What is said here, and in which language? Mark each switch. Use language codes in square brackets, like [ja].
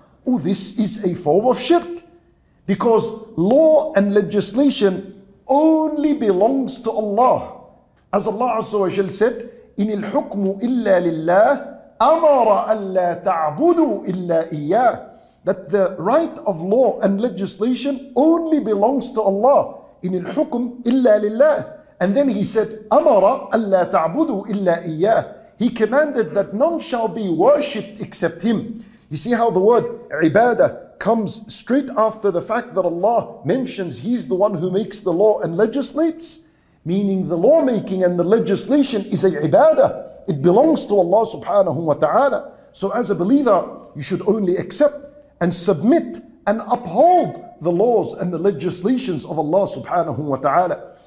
[en] Oh, this is a form of shirk, because law and legislation only belongs to Allah. As Allah Azza wa Jal said, إِنِ الْحُكْمُ إِلَّا لِلَّهِ أَمَرَ أَلَّا تَعْبُدُوا إِلَّا إِيَّاهِ, that the right of law and legislation only belongs to Allah. [ar] إِنِ الْحُكْمُ إِلَّا لِلَّهِ. And then he said, أَمَرَ أَلَّا تَعْبُدُوا إِلَّا إِيَّاهِ. [en] He commanded that none shall be worshipped except him. You see how the word ibadah comes straight after the fact that Allah mentions he's the one who makes the law and legislates, meaning the lawmaking and the legislation is a ibadah. It belongs to Allah subhanahu wa ta'ala. So as a believer, you should only accept and submit and uphold the laws and the legislations of Allah subhanahu wa ta'ala.